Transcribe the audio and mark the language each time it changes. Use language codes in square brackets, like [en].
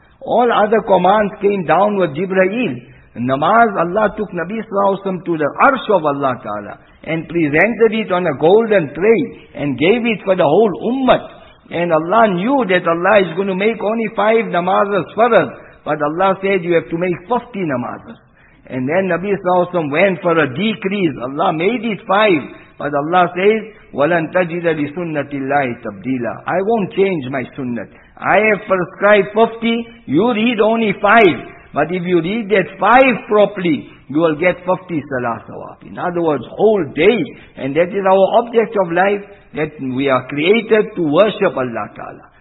[en] All other commands came down with Jibreel. Namaz, Allah took Nabi Sallallahu Alaihi Wasallam to the arsh of Allah Ta'ala and presented it on a golden tray and gave it for the whole ummah. And Allah knew that Allah is going to make only 5 namazas for us. But Allah said you have to make 50 namazas. And then Nabi Sallallahu Alaihi Wasallam went for a decrease. Allah made it 5. But Allah says, [ar] وَلَن تَجِدَ لِسُنَّةِ اللَّهِ تَبْدِيلًا. [en] I won't change my sunnah. I have prescribed 50, you read only 5. But if you read that 5 properly, you will get 50 salah sawab. In other words, whole day. And that is our object of life, that we are created to worship Allah Ta'ala.